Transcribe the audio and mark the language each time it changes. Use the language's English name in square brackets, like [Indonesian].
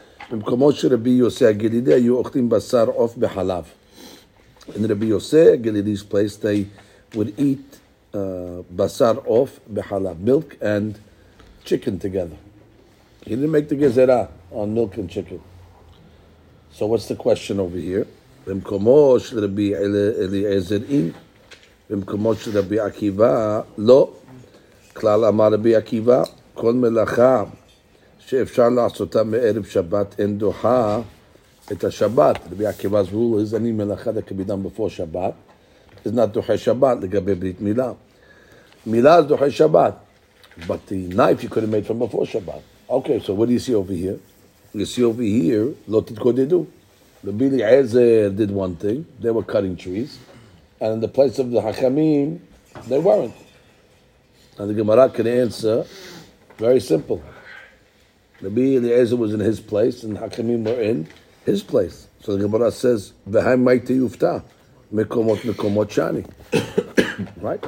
[Hebrew] במקומות שרבי יוסי הגלילי היו אוכלים בשר עוף בחלב. [English] In Rabbi Yose, Galilee's place, they would eat [Hebrew] basar off bechalav, [English] milk and chicken together. He didn't make the gezerah on milk and chicken. So what's the question over here? [Hebrew] במקומות שרבי אליעזר אין, במקומות שרבי עקיבא, לא. כלל אמר רבי עקיבא, כל מלאכה שאפשר לעשותה מערב שבת אין דוחה את השבת. [English] רבי עקיבא's rule is [Hebrew] אני מלאכה [English] that can be done before שבת. It's not [Hebrew] דוחה שבת לגבי ברית מילה. מילה [English] is [Hebrew] דוחה שבת. [English] But the knife you could have made from before שבת. Okay, so what do you see over here? You see over here, [Hebrew] לא תתגודדו. [English] רבי אליעזר did one thing. They were cutting trees. And in the place of the חכמים, they weren't. And the Gemara can answer, very simple. Rabbi Eliezer was in his place, and Hakamim were in his place. So the Gemara says, [Aramaic] "V'hai ma'ite yufta, mekomot mekomot shani." [English] Right?